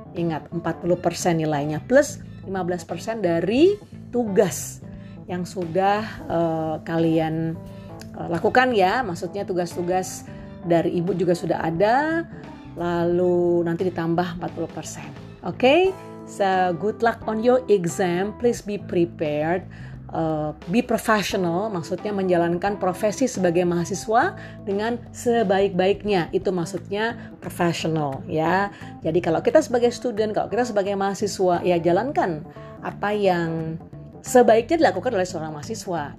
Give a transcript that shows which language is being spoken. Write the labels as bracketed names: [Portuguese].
[Indonesian] Ingat, 40% nilainya plus 15% dari tugas yang sudah kalian lakukan, ya. Maksudnya tugas-tugas dari ibu juga sudah ada, lalu nanti ditambah 40%. [English] Okay, so good luck on your exam. Please be prepared. Be professional, [Indonesian] maksudnya menjalankan profesi sebagai mahasiswa dengan sebaik-baiknya. Itu maksudnya professional, ya. Jadi kalau kita sebagai student, kalau kita sebagai mahasiswa, ya jalankan apa yang sebaiknya dilakukan oleh seorang mahasiswa.